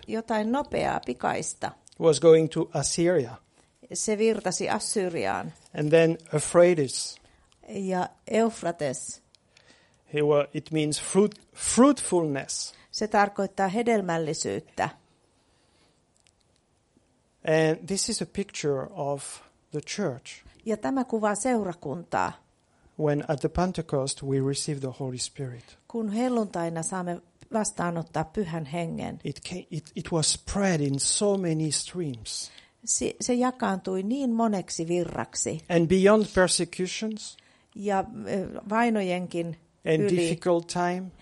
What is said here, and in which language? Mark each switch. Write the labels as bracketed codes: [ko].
[fi] Jotain nopeaa, pikaista. [en] Was going to Assyria. [fi] Se virtasi Assyriaan. [en] And then Euphrates. [fi] Ja Eufrates. [en] It means fruitfulness. [fi] Se tarkoittaa hedelmällisyyttä. [en] And this is a picture of the church. [fi] Ja tämä kuvaa seurakuntaa. [en] When at the Pentecost we receive the Holy Spirit. [fi] Kun helluntaina saamme vastaanottaa Pyhän Hengen. [en] It was spread in so many streams. [fi] Se jakaantui niin moneksi virraksi. [en] And beyond persecutions. [fi] Ja vainojenkin [en] and [fi] yli. [en] And difficult time.